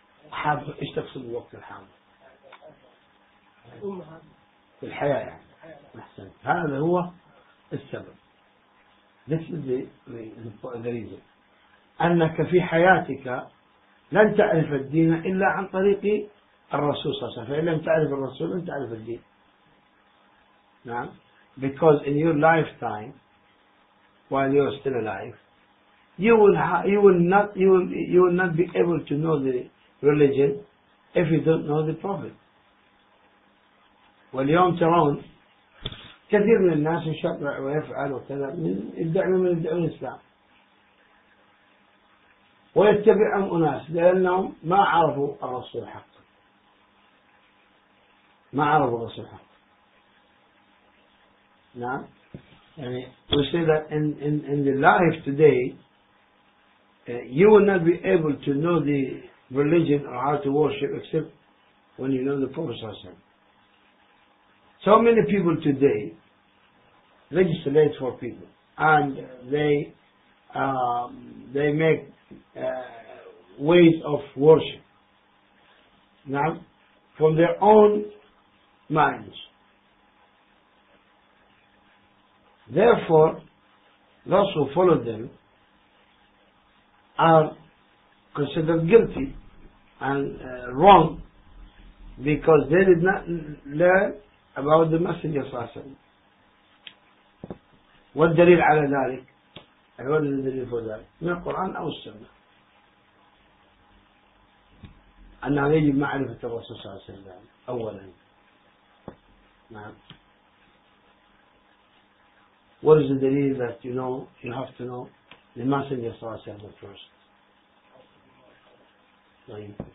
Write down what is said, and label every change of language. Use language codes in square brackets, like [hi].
[ar] حاب ايش تقصد بالوقت الحاضر في الحياة؟ يعني احسنت، هذا هو السبب. [en] This is the reason. [ar] انك في حياتك لن تعرف الدين الا عن طريق الرسول صلى الله عليه وسلم، فان لم تعرف الرسول لن تعرف الدين. نعم. [en] Because in your lifetime, while you are still alive, you will not be able to know the religion if you don't know the Prophet. [ar] واليوم ترون كثير من الناس يشرع ويفعل وكذا من يدعون من يدعون الإسلام ويتبعهم أناس لأنهم ما عرفوا الرسول حقا، ما عرفوا الرسول حقا. [en] Now, we say that in the life today, you will not be able to know the religion or how to worship except when you know the Prophet. So many people today legislate for people, and they make ways of worship. Now, from their own minds. Therefore, those who follow them are considered guilty and wrong because they did not learn about the Messenger [ar] صلى الله عليه وسلم. والدليل على ذلك، أقول الدليل على ذلك من القرآن أو السنة، أن يجب معرفة الرسول صلى الله عليه وسلم أولا. نعم. [en] What is the dalil that you know, you have to know the Messenger [ar] صلى الله عليه وسلم [en] first?